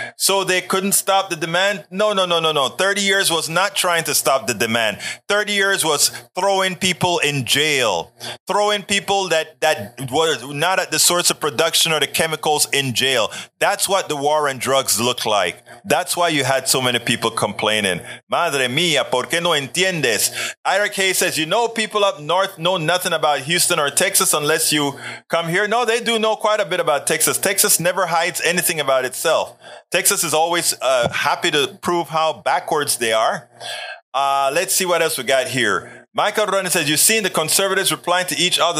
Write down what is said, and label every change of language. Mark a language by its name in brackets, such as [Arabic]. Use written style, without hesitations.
[English] So they couldn't stop the demand. No. 30 years was not trying to stop the demand. 30 years was throwing people in jail, throwing people that were not at the source of production or the chemicals in jail. That's what the war on drugs looked like. That's why you had so many people complaining. [Spanish] Madre mía, ¿por qué no entiendes? [English] IRK says, you know, people up north know nothing about Houston or Texas unless you come here. No, they do know quite a bit about Texas. Texas never hides anything about itself. Texas is always happy to prove how backwards they are. Let's see what else we got here. Michael Ronan says, you've seen the conservatives replying to each other.